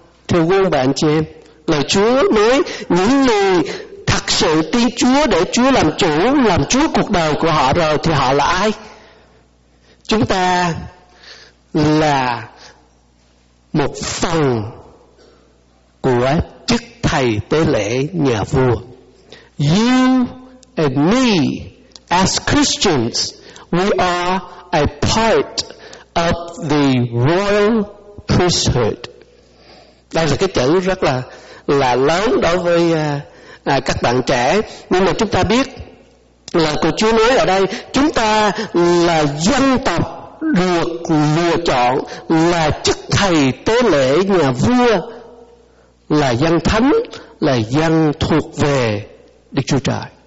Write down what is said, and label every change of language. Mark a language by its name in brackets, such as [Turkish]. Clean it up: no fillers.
[Vietnamese] Thưa quý ông bà anh chị em, lời Chúa nói những người thật sự tin Chúa để Chúa làm chủ, làm Chúa cuộc đời của họ rồi thì họ là ai? Chúng ta là một phần của chức thầy tế lễ nhà vua. [English] You and me as Christians, we are a part of the royal priesthood. [Vietnamese] Đây là cái chữ rất là lớn đối với các bạn trẻ. Nhưng mà chúng ta biết là của Chúa nói ở đây, chúng ta là dân tộc được lựa chọn là chức thầy tế lễ nhà vua, là dân thánh, là dân thuộc về Đức Chúa Trời.